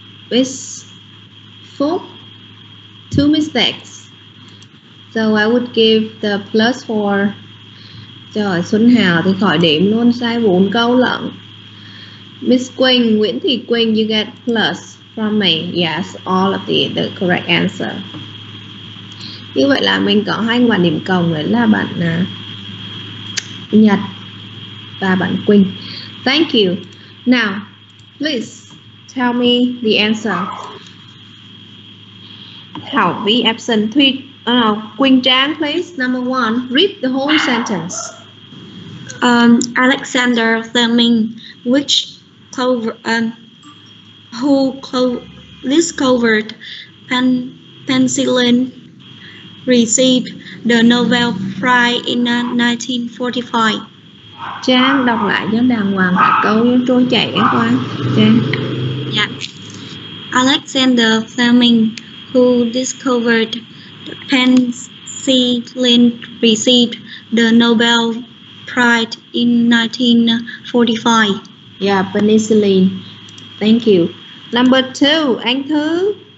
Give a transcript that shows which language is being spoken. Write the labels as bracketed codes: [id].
[en] It's four. Two mistakes. So I would give the plus four. [vi] Trời, Xuân Hào thì khỏi điểm luôn, sai 4 câu lận. [en] Miss Quỳnh, Nguyễn Thị Quỳnh, you get plus from me. Yes, all of the correct answer. [vi] Như vậy là mình có hai quả điểm cộng, đấy là bạn Nhật và bạn Quỳnh. [en] Thank you. Now, please tell me the answer. Thảo Vy absent. Quỳnh Trang, please. Number one, read the whole sentence. Alexander Fleming, who discovered penicillin, received the Nobel Prize in 1945. [vi] Trang đọc lại cho đàng hoàng cả câu cho trôi chảy quá. Trang. [en] Yeah. Alexander Fleming, who discovered penicillin, received the Nobel Prize in 1945. Yeah, penicillin. Thank you. Number two, Anh Thư.